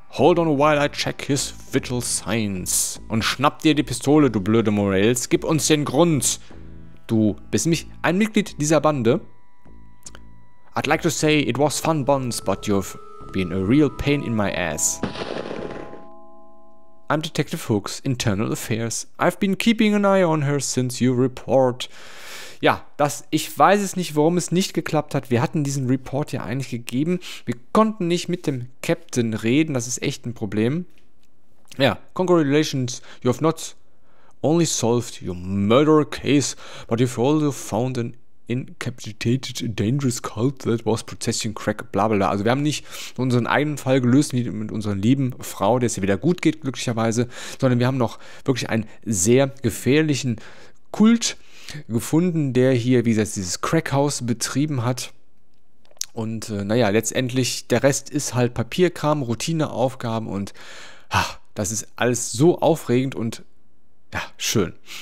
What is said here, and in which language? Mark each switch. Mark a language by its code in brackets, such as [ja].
[en] Hold on a while I check his vital signs. [de] Und schnapp dir die Pistole, du blöde Morales. Gib uns den Grund. Du bist nämlich ein Mitglied dieser Bande. [en] I'd like to say it was fun, Bonds, but you've been a real pain in my ass. I'm Detective Hooks, Internal Affairs. I've been keeping an eye on her since your report. [de] Ja, das, ich weiß es nicht, warum es nicht geklappt hat. Wir hatten diesen Report ja eigentlich gegeben. Wir konnten nicht mit dem Captain reden. Das ist echt ein Problem. [en] Ja, congratulations. You have not only solved your murder case, but you've also found an incapacitated dangerous cult that was processing crack, bla bla bla. [de] Also wir haben nicht unseren eigenen Fall gelöst mit unserer lieben Frau, der es ihr wieder gut geht, glücklicherweise, sondern wir haben noch wirklich einen sehr gefährlichen Kult gefunden, der hier, wie gesagt, dieses Crackhaus betrieben hat. Und naja, letztendlich, der Rest ist halt Papierkram, Routineaufgaben und ach, das ist alles so aufregend und ja, schön.